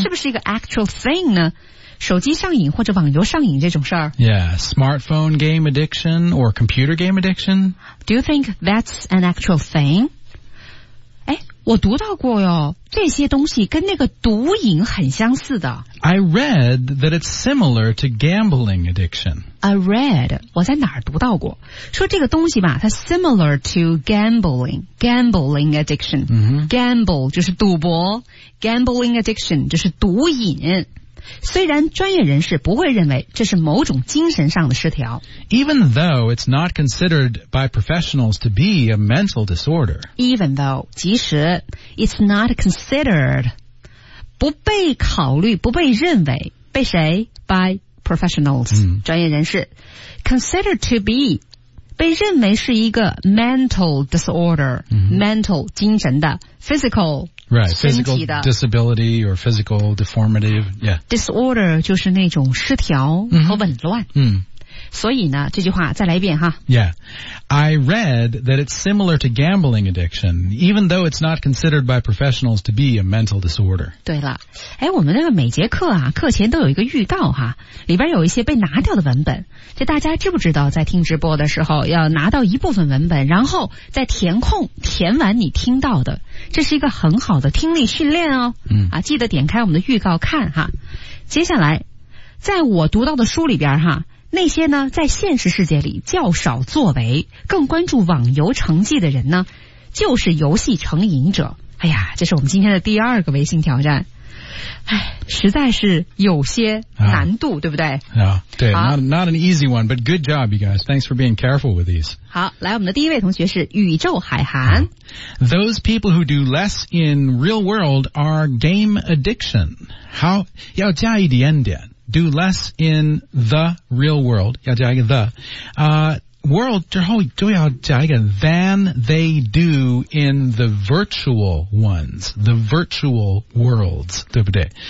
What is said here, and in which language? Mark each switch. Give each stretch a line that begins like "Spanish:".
Chinese: 是不是一个
English: actual thing
Chinese: 呢？手机上瘾或者网游上瘾这种事儿
English: Yeah, smartphone game addiction or computer game addiction. Do you think that's an actual thing?
Chinese: 我读到过哟这些东西跟那个毒瘾很相似的
English: I read that it's similar to gambling addiction I read
Chinese: 我在哪儿读到过说这个东西吧它
English: similar to gambling addiction、 mm-hmm.
Chinese: gamble 就是赌博
English: gambling addiction
Chinese: 就是毒瘾虽然专业人士不会认为这是某种精神上的失调
English: Even though it's not considered by professionals to be a mental disorder Even though
Chinese: 即使
English: It's not considered
Chinese: 不被考虑不被认为被谁
English: By professionals、嗯、
Chinese: 专业人士
English: Considered to be
Chinese: 被认为是一个
English: mental disorder、嗯、 Mental
Chinese: 精神的
English: physical Right, physical disability or physical deformity. Yeah.
Chinese: Disorder 就是那种失调和紊乱。 Mm-hmm. 所以呢这句话再来一遍哈。
English: Yeah. I read that it's similar to gambling addiction, even though it's not considered by professionals to be a mental disorder.
Chinese: 对了。哎我们这个每节课啊课前都有一个预告哈里边有一些被拿掉的文本。就大家知不知道在听直播的时候要拿到一部分文本然后再填空填完你听到的。这是一个很好的听力训练哦。嗯。啊记得点开我们的预告看哈。接下来在我读到的书里边哈那些呢在现实世界里较少作为更关注网游成绩的人呢就是游戏成瘾者哎呀，这是我们今天的第二个微信挑战。哎，实在是有些难度，啊、对不对？啊，对，
English: not an easy one, but good job, you guys. Thanks for being careful with these.
Chinese: 好，来，我们的第一位同学是宇宙海涵。
English: Those people who do less in real world are game addiction.
Chinese: 好，要加一点点。
English: Do less in the real world.
Chinese: 要加一个
English: the. World 之后都要加一个 than they do in the virtual ones, the virtual worlds,
Chinese: 对不对？